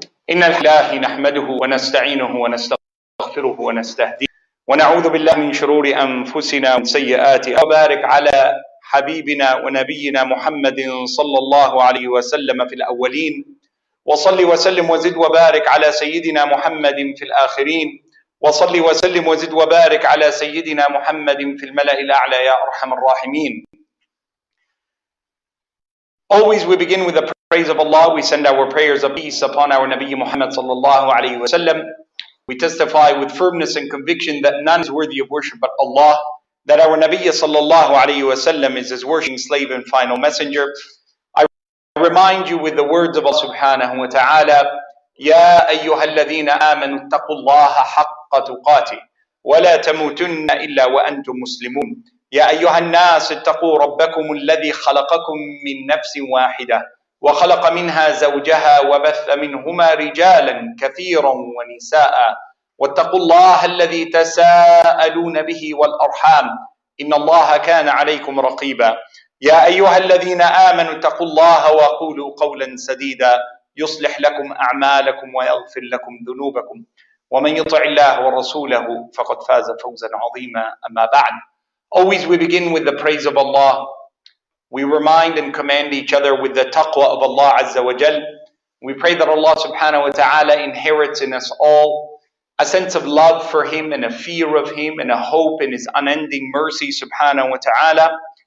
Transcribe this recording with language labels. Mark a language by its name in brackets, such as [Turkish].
[Arabic] إن لله نحمده ونستعينه ونستغفره ونستهديه ونعوذ بالله من شرور أنفسنا ومن سيئات أعمالنا وبارك على حبيبنا ونبينا محمد صلى الله عليه وسلم في الأولين وصل وسلم وزد وبارك على سيدنا محمد في الآخرين وصل وسلم وزد وبارك على سيدنا محمد في الملأ الأعلى يا أرحم الراحمين. [English] Always we begin with the praise of Allah. We send our prayers of peace upon our Nabi Muhammad sallallahu alayhi wa sallam. We testify with firmness and conviction that none is worthy of worship but Allah, that our Nabi sallallahu alayhi wa sallam is his worshiping slave and final messenger. I remind you with the words of Allah subhanahu wa ta'ala, [Arabic] يَا أَيُّهَا الَّذِينَ آمَنُوا اتَّقُوا اللَّهَ حَقَّ تُقَاتِي وَلَا تَمُوتُنَّ إِلَّا وَأَنْتُمْ مُسْلِمُونَ يَا أَيُّهَا النَّاسِ اتَّقُوا رَبَّكُمُ الَّذِي خَلَقَكُمْ مِنْ نَفْسٍ وَاحِدَةٍ وَخَلَقَ مِنْهَا زَوْجَهَا وَبَثَّ مِنْهُمَا رِجَالًا كَثِيرًا وَنِسَاءً وَاتَّقُوا اللَّهَ الَّذِي تَسَاءَلُونَ بِهِ وَالْأَرْحَامَ إِنَّ اللَّهَ كَانَ عَلَيْكُمْ رَقِيبًا يَا أَيُّهَا الَّذِينَ آمَنُوا اتَّقُوا اللَّهَ وَقُولُوا قَوْلًا سَدِيدًا يُصْلِحْ لَكُمْ أَعْمَالَكُمْ وَيَغْفِرْ لَكُمْ ذُنُوبَكُمْ وَمَنْ يُطِعِ اللَّهَ وَرَسُولَهُ فَقَدْ فَازَ فَوْزًا عَظِيمًا أَمَّا بَعْدُ. [English] Always we begin with the praise of Allah. We remind and command each other with the taqwa of Allah Azza wa Jal. We pray that Allah subhanahu wa ta'ala inherits in us all a sense of love for Him and a fear of Him and a hope in His unending mercy subhanahu wa ta'ala.